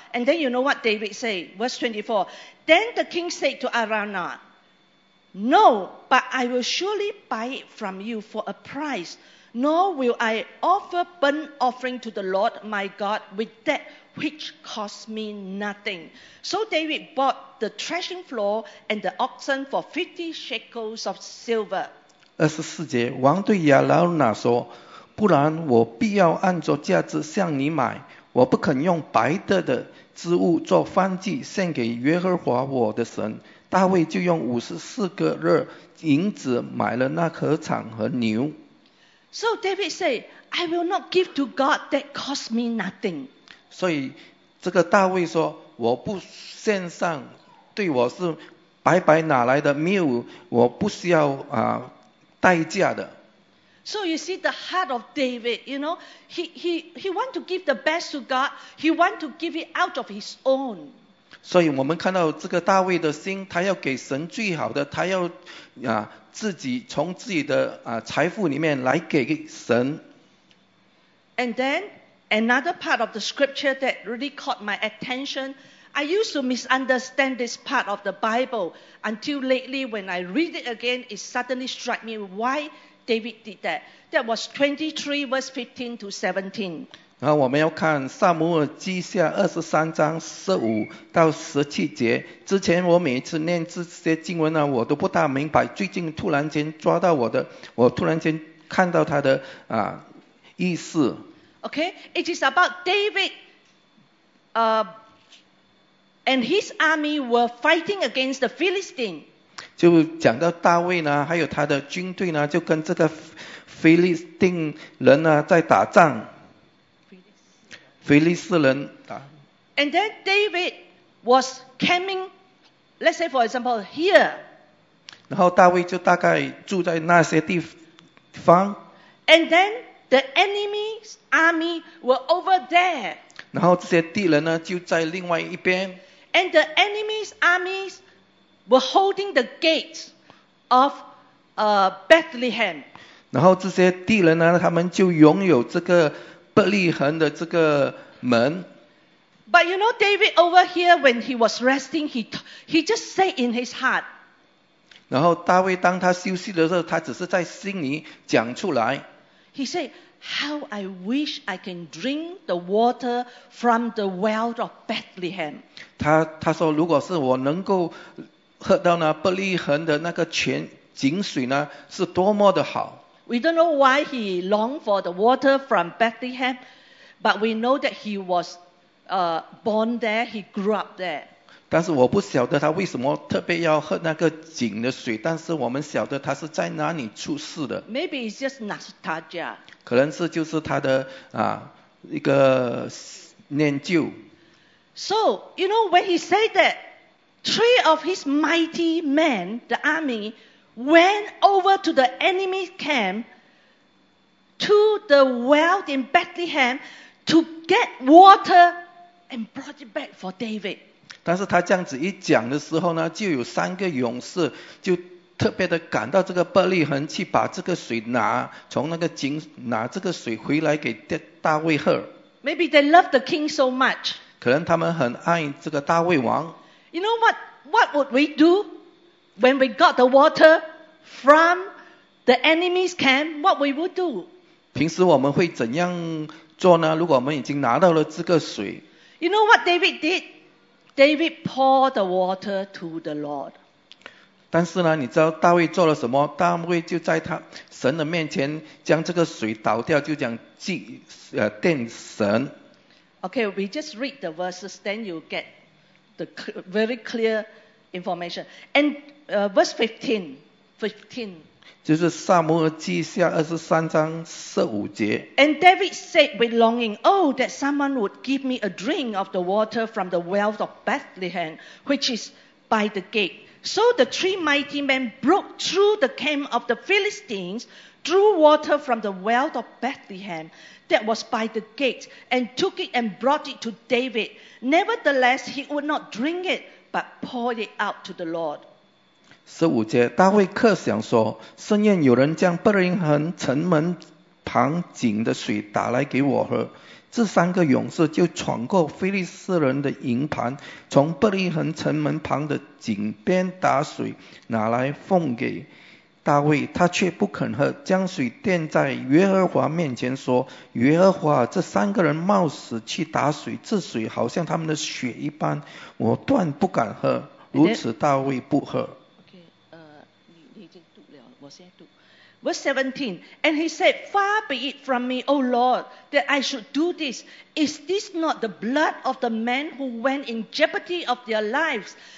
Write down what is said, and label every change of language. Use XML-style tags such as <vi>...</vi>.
<en>And then you know what David said, verse 24. Then the king said to Arana, no, but I will surely buy it from you for a price. Nor will I offer burnt offering to the Lord my God with that which costs me nothing. So David bought the threshing floor and the oxen for 50 shekels of silver.</en> <zh>24节，王对亚劳拿说，不然我必要按着价值向你买，我不肯用白的的织物做燔祭献给耶和华我的神。大卫就用54个勒银子买了那禾场和牛。</zh> <en>So David said, I will not give to God that costs me nothing.</en> <zh>所以这个大卫说，我不献上对我是白白拿来的，没有，我不需要代价的。</zh> <en>So you see the heart of David, you know, he want to give the best to God. He want to give it out of his own.</en> <zh>所以我们看到这个大卫的心，他要给神最好的，他要啊自己从自己的啊财富里面来给神。</zh> <en>And then another part of the scripture that really caught my attention. I used to misunderstand this part of the Bible until lately when I read it again, it suddenly struck me why. David did that. That was 23 verse 15 to 17.</en> <zh>然后我们要看撒母耳记下23章15到17节。之前我每一次念这些经文呢，我都不大明白。最近突然间抓到我的，我突然间看到他的啊意思。</zh> <en>Okay, it is about David, and his army were fighting against the Philistine.</en> <zh>就讲到大卫呢，还有他的军队呢，就跟这个腓力斯人呢在打仗。腓力斯人打。</zh> <en>And then David was coming, let's say for example here.</en> <zh>然后大卫就大概住在那些地方。</zh> <en>And then the enemy's army were over there.</en> <zh>然后这些敌人呢就在另外一边。</zh> <en>And the enemy's armies. Were holding the gates of Bethlehem.</en> <zh>然后这些敌人呢，他们就拥有这个伯利恒的这个门。</zh> <en>But you know, David over here when he was resting, he just said in his heart.</en> <zh>然后大卫当他休息的时候，他只是在心里讲出来。</zh> <en>He said, "How I wish I can drink the water from the well of Bethlehem."</en> <zh>他说，如果是我能够喝到呢伯利恒的那个泉井水呢，是多么的好。</zh> <en>We don't know why he longed for the water from Bethlehem, but we know that he was born there, he grew up there.</en> <zh>但是我不晓得他为什么特别要喝那个井的水，但是我们晓得他是在哪里出世的。</zh> <en>Maybe it's just nostalgia.</en> <zh>可能是就是他的啊一个念旧。</zh> <en>So you know when he said that. Three of his mighty men, the army, went over to the enemy camp to the well in Bethlehem to get water and brought it back for David.</en> <zh>但是他这样子一讲的时候呢，就有三个勇士就特别的赶到这个伯利恒去把这个水拿，从那个井拿这个水回来给大卫喝。</zh> <en>Maybe they love the king so much.</en> <zh>可能他们很爱这个大卫王。</zh> <en>You know what would we do when we got the water from the enemy's camp? What we would do?</en> <zh>平时我们会怎样做呢？如果我们已经拿到了这个水。</zh> <en>You know what David did? David poured the water to the Lord.</en> <zh>但是呢，你知道大卫做了什么？大卫就在他神的面前将这个水倒掉，就讲奠神。</zh> <en>Okay, we just read the verses, then you get. The very clear information. And verse 15.</en> <zh>就是撒母耳记下23章15节。</zh> <en>And David said with longing, Oh, that someone would give me a drink of the water from the well of Bethlehem, which is by the gate. So the three mighty men broke through the camp of the Philistines, drew water from the well of Bethlehem. That was by the gate, and took it and brought it to David. Nevertheless, he would not drink it, but poured it out to the Lord.</en> <zh>十五节，大卫客想说，甚愿有人将伯利恒城门旁井的水打来给我喝。这三个勇士就闯过腓力斯人的营盘，从伯利恒城门旁的井边打水，拿来奉给。大卫他却不肯喝，将水奠在耶和华面前说：“耶和华，这三个人冒死去打水，这水好像他们的血一般，我断不敢喝。” 如此，大卫不喝。 Okay, 你已经读了，我先读。</zh> <en>Verse 17, and he said, "Far be it from me, O Lord, that I should do this. Is this not the blood of the men who went in jeopardy of their lives?</en>